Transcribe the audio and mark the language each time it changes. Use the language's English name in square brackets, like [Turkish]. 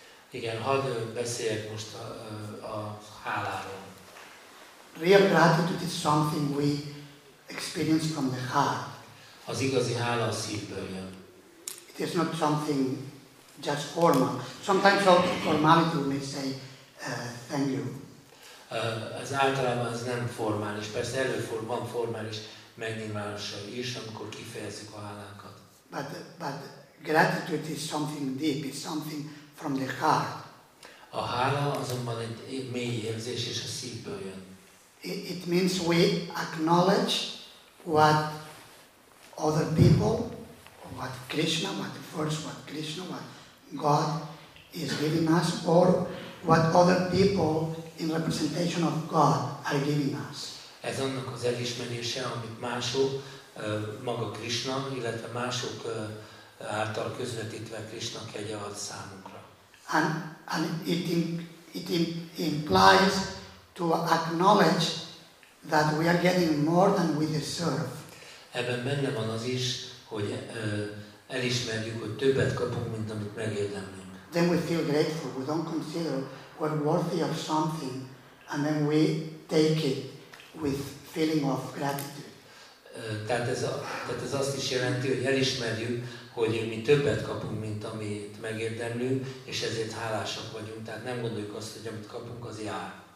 [Hungarian] Igen, hadd beszéljek most a háláról. [English] Real gratitude is something we experience from the heart. [Hungarian] Az igazi hála a szívből jön. [English] It is not something just formal. Sometimes also formality we may say thank you. [Hungarian] Az általában az nem formális, persze előfordul, van formális megnyilvánulása is, amikor kifejezzük a hálánkat. [English] But gratitude is something deep, is something from the heart. [Hungarian] A hála azonban egy mély érzés, és a szívből jön. [English] It means we acknowledge what other people, what Krishna, what first, what Krishna, what God is giving us, or what other people in representation of God are giving us. [Hungarian] Ez annak az elismerése, amit mások, maga Krishna, illetve mások által közvetítve Krishna kegye ad számunkra. [English] And it implies to acknowledge that we are getting more than we deserve. [Hungarian] Ebben benne van az is, hogy elismerjük, hogy többet kapunk, mint amit megérdemlünk. [English] Then we feel grateful. We don't consider we're worthy of something, and then we take it with feeling of gratitude. [Hungarian] Tehát ez azt is jelenti, hogy elismerjük, hogy mi többet kapunk, mint amit megérdemlünk, és ezért hálásak vagyunk. Tehát nem gondoljuk azt, hogy amit kapunk, az jár.